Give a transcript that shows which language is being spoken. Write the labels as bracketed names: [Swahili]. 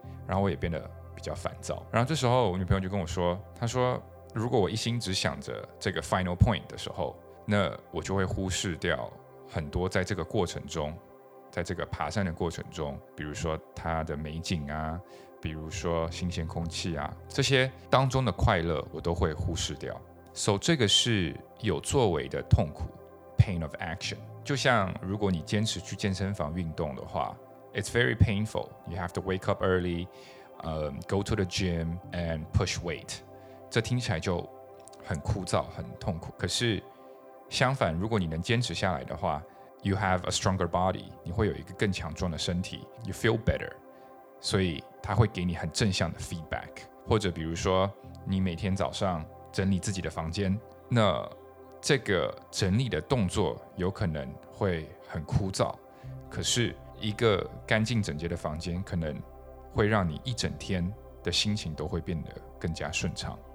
[Chinese] 然后我也变得比较烦躁。然后这时候我女朋友就跟我说，她说如果我一心只想着这个 [English] final point [Chinese] 的时候，那我就会忽视掉很多在这个过程中，在这个爬山的过程中，比如说它的美景啊，比如说新鲜空气啊，这些当中的快乐我都会忽视掉。 So 这个是有作为的痛苦， [English] pain of action。 [Chinese] 就像如果你坚持去健身房运动的话， [English] it's very painful. You have to wake up early, go to the gym and push weight. [Chinese] 这听起来就很枯燥，很痛苦。可是相反，如果你能坚持下来的话， [English] You have a stronger body， [Chinese] 你会有一个更强壮的身体， [English] You feel better， [Chinese] 所以它会给你很正向的 feedback。或者比如说你每天早上整理自己的房间，那这个整理的动作有可能会很枯燥，可是一个干净整洁的房间可能会让你一整天的心情都会变得更加顺畅。